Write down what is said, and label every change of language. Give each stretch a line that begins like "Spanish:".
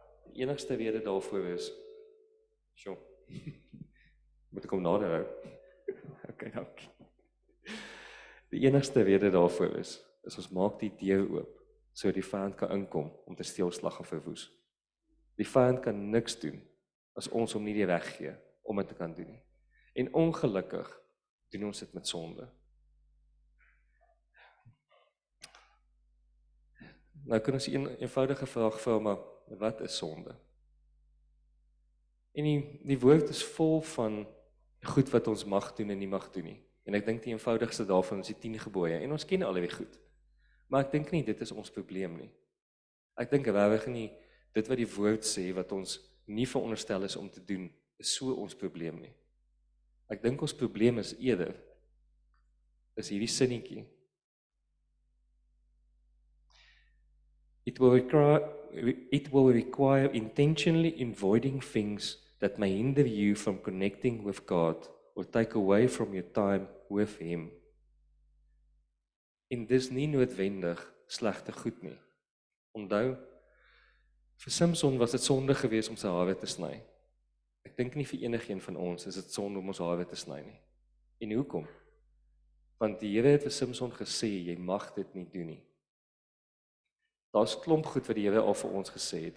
Afrikaans: Die enigste rede daarvoor is, sjoe, moet ek hom nader hou. Okay, dankie. Die enigste rede daarvoor is ons maak die deur oop, so die vyand kan inkom om te steel, slag en verwoes. Die vyand kan niks doen as ons hom nie die reg gee om dit te kan doen nie. En ongelukkig doen ons dit met sonde. Nou kan ons 'n eenvoudige vraag vra, maar wat is sonde? En die woord is vol van goed wat ons mag doen en nie mag doen nie. En ek dink die eenvoudigste daarvan is die 10 gebooie en ons ken al die goed. Maar ek dink nie dit is ons probleem nie. Ek dink regtig nie dit wat die woord sê wat ons nie veronderstel is om te doen, is so ons probleem nie. Ek dink ons probleem is eerder is hierdie sinnetjie.
English: It will require intentionally avoiding things that may hinder you from connecting with God or take away from your time with Him.
Afrikaans: En dis nie noodwendig slegte goed nie. Onthou, vir Samson was dit sonde geweest om sy hare te sny. Ek dink nie vir enigeen van ons is dit sonde om ons hare te sny nie. En hoekom? Want die Here het vir Samson gesê, jy mag dit nie doen nie. Daar's klomp goed wat die Here al vir ons gesê het.